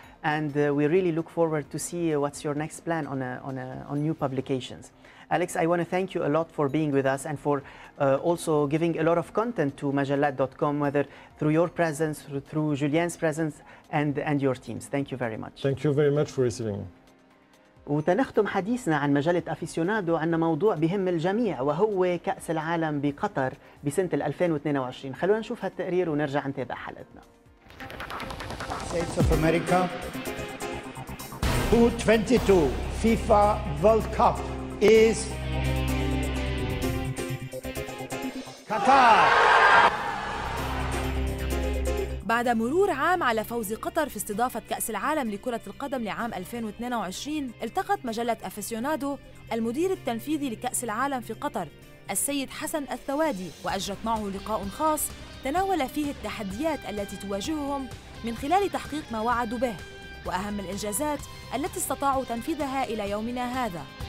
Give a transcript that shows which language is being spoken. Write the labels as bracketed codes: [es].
[en] and we really look forward to see what's your next plan on new publications. Alex, I want to thank you a lot for being with us and for also giving a lot of content to Majalat.com, whether through your presence, through Julien's presence, and your teams. Thank you very much. Thank you very much for receiving me. [ar] وتنختم حديثنا عن مجلة أفيسيونادو عن موضوع بهم الجميع وهو كأس العالم بقطر بسنة 2022. خلونا نشوف هالتقرير ونرجع نتابع حلقتنا. [en] States of America, U22 FIFA World Cup is Qatar. [ar] بعد مرور عام على فوز قطر في استضافة كأس العالم لكرة القدم لعام 2022، التقت مجلة أفيسيونادو المدير التنفيذي لكأس العالم في قطر السيد حسن الثوادي وأجرت معه لقاء خاص تناول فيه التحديات التي تواجههم من خلال تحقيق ما وعدوا به وأهم الإنجازات التي استطاعوا تنفيذها إلى يومنا هذا.